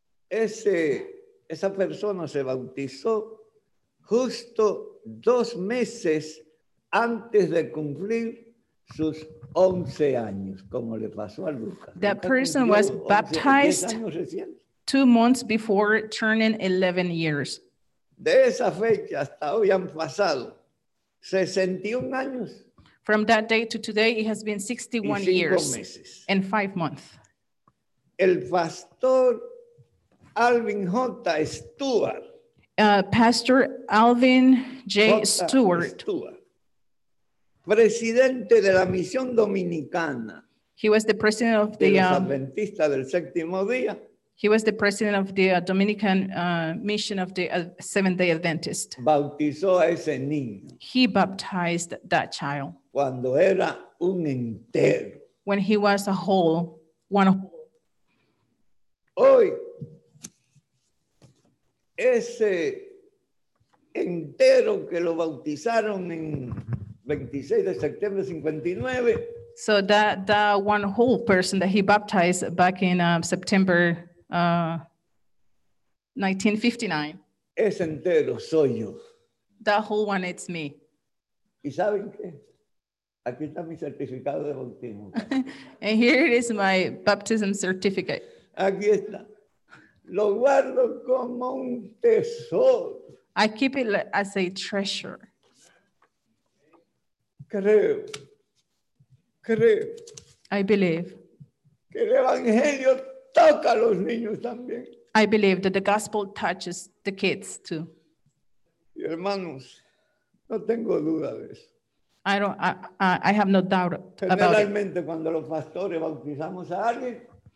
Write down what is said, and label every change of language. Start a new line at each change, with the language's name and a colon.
Spanish: Esa persona se bautizó justo dos meses antes de cumplir sus 11 años, como le pasó a Lucas.
English: That person was baptized 2 months before turning 11 years.
Spanish: De esa fecha hasta hoy han pasado 61 años.
English: From that day to today, it has been 61 years
Spanish: meses.
English: And 5 months.
Spanish: El pastor Alvin J. Stewart.
English: Pastor Alvin J. Stewart.
Spanish: Presidente de la Misión Dominicana.
English: He was the president of the
Spanish: Adventista del Séptimo Día.
English: He was the president of the Dominican mission of the Seventh-day Adventist.
Spanish: Bautizó a ese niño.
English: He baptized that child.
Spanish: Cuando era un entero.
English: When he was a whole, one
Spanish: whole. Hoy, ese entero que lo bautizaron en 26 de septiembre 59.
English: So that one whole person that he baptized back in September 1959.
Spanish: Ese entero soy yo.
English: That whole one, it's me.
Spanish: ¿Y saben qué? Aquí está mi certificado de bautismo.
English: And here it is, my baptism certificate.
Spanish: Aquí está. Lo guardo como un tesoro.
English: I keep it as a treasure.
Spanish: Creo.
English: I believe.
Spanish: Que el evangelio toca a los niños también.
English: I believe that the gospel touches the kids too.
Spanish: Y hermanos, no tengo duda de eso.
English: I have no doubt about it.
Spanish: Generalmente cuando los pastores bautizamos a alguien,